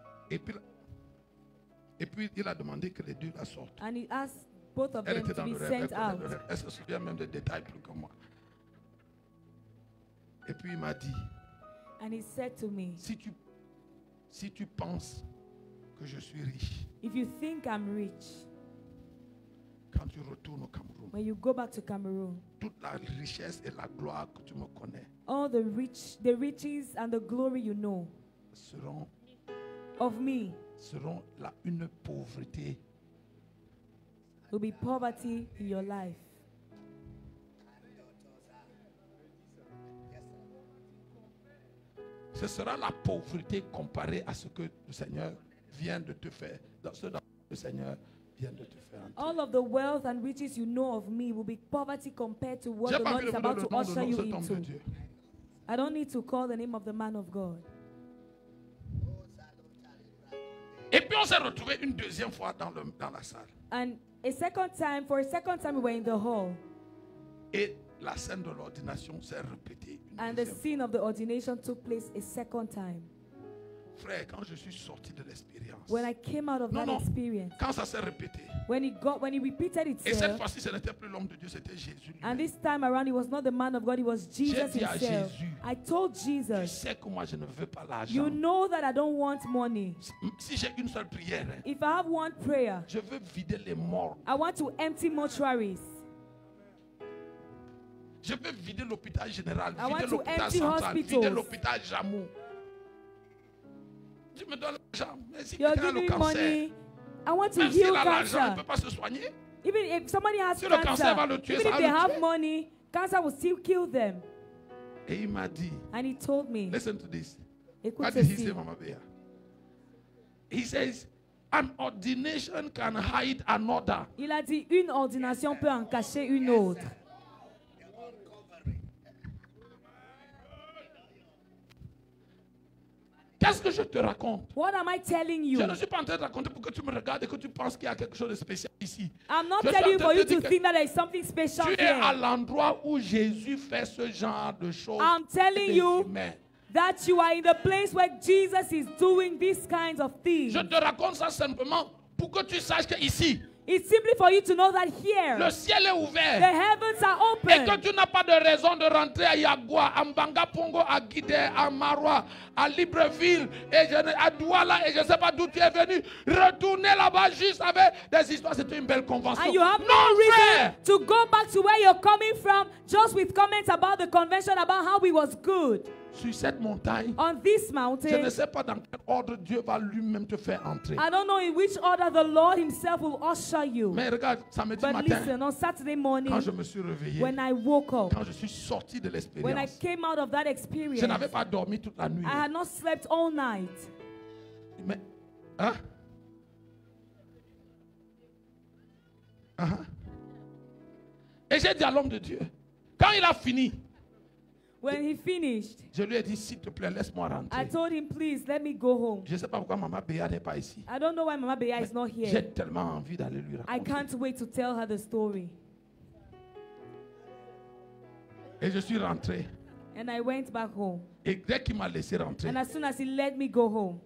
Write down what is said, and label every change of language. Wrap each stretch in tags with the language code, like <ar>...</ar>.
<fr>Et puis il a demandé que les deux la sortent.</fr> <en>And he asked both of them to be sent out.</en> <fr>Elle se souvient même des détails plus que moi. Et puis il m'a dit,</fr> <en>and he said to me,</en> <fr>si tu penses que je suis riche,</fr> <en>if you think I'm rich,</en> <fr>quand tu retournes au Cameroun,</fr> <en>when you go back to Cameroon,</en> <fr>toute la richesse et la gloire que tu me connais,</fr> <en>all the riches and the glory you know,</en> <fr>seront</fr> <en>of me,</en> <fr>seront la une pauvreté,</fr> <en>will be poverty in your life.</en> <fr>Ce sera la pauvreté comparée à ce que le Seigneur vient de te faire, dans ce dont le Seigneur vient de te faire entrer.</fr> <en>All of the wealth and riches you know of me will be poverty compared to what the Lord is about to usher you into. I don't need to call the name of the man of God.</en> <fr>Et puis on s'est retrouvé une deuxième fois dans la salle.</fr> <en>And for a second time we were in the hall.</en> <fr>Et la scène de l'ordination s'est répétée.</fr> <en>And the scene of the ordination took place a second time.</en> <fr>Frère, quand je suis sorti de l'expérience.</fr> <en>When I came out of experience.</en> <fr>Quand ça s'est répété.</fr> <en>When he repeated itself.</en> <fr>Et cette fois-ci, ce n'était plus l'homme de Dieu, c'était Jésus.</fr> <en>And this time around, it was not the man of God, it was Jesus himself.</en> <fr>J'ai dit à Jésus,</fr> <en>I told Jesus.</en> <fr>Tu sais que moi, je ne veux pas l'argent.</fr> <en>You know that I don't want money.</en> <fr>Si j'ai une seule prière.</fr> <en>If I have one prayer.</en> <fr>Je veux vider les morts.</fr> <en>I want to empty mortuaries.</en> <fr>Je veux vider l'hôpital général, vider l'hôpital central, vider l'hôpital Jamou. Tu me donnes l'argent, mais si quelqu'un a le cancer,</fr> <en>I want to heal</en> <fr>Même si il a l'argent, il peut pas se soigner.</fr> <en>Even if somebody has</en> <fr>cancer, si le cancer va le tuer,</fr> <en>even if they have money, cancer will still kill them.</en> <fr>Et il m'a dit,</fr> <en>and he told me, listen to this.</en> <fr>Écoute ceci.</fr> <en>What did he say, Mama Bea? He says, an ordination can hide another.</en> <fr>Il a dit, une ordination peut en cacher une autre. Qu'est-ce que je te raconte?</fr> <en>What am I telling you?</en> <fr>Je ne suis pas en train de raconter pour que tu me regardes et que tu penses qu'il y a quelque chose de spécial ici.</fr> <en>I'm not telling you for you to think that there is something special here.</en> <fr>Tu es à l'endroit où Jésus fait ce genre de choses.</fr> <en>I'm telling you that you are in the place where Jesus is doing these kinds of things.</en> <fr>Je te raconte ça simplement pour que tu saches que ici.</fr> <en>It's simply for you to know that here.</en> <fr>Le ciel est ouvert.</fr> <en>The heavens are open.</en> <fr>Et que tu n'as pas de raison de rentrer à Yagua, à Mbanga Pongo, à Guidé, à Maroua, à Libreville, à Douala, et je ne sais pas d'où tu es venu. Retourner là-bas juste avec des histoires, c'est une belle convention.</fr> <en>And you have no reason to go back to where you're coming from just with comments about the convention, about how it was good.</en> <fr>Sur cette montagne,</fr> <en>on this mountain,</en> <fr>je ne sais pas dans quel ordre Dieu va lui-même te faire entrer.</fr> <en>I don't know in which order the Lord himself will usher you.</en> <fr>Mais regarde, samedi</fr> <en>but</en> <fr>matin,</fr> <en>listen, on Saturday morning,</en> <fr>quand je me suis réveillé,</fr> <en>when I woke up,</en> <fr>quand je suis sorti de l'expérience,</fr> <en>when I came out of that experience,</en> <fr>je n'avais pas dormi toute la nuit.</fr> <en>I had not slept all night.</en> <fr>Mais, hein? Et j'ai dit à l'homme de Dieu, quand il a fini,</fr> <en>when he finished,</en> <fr>je lui ai dit, s'il te plaît, laisse-moi rentrer.</fr> <en>I told him, please, let me go home.</en> <fr>Je sais pas pourquoi Mama Béa n'est pas ici.</fr> <en>I don't know why Mama Béa is not here.</en> <fr>J'ai tellement envie d'aller lui raconter.</fr> <en>I can't wait to tell her the story.</en> <fr>Et je suis rentré.</fr> <en>And I went back home.</en> <fr>Et dès qu'il m'a laissé rentrer,</fr> <en>and as soon as he let me go home,</en>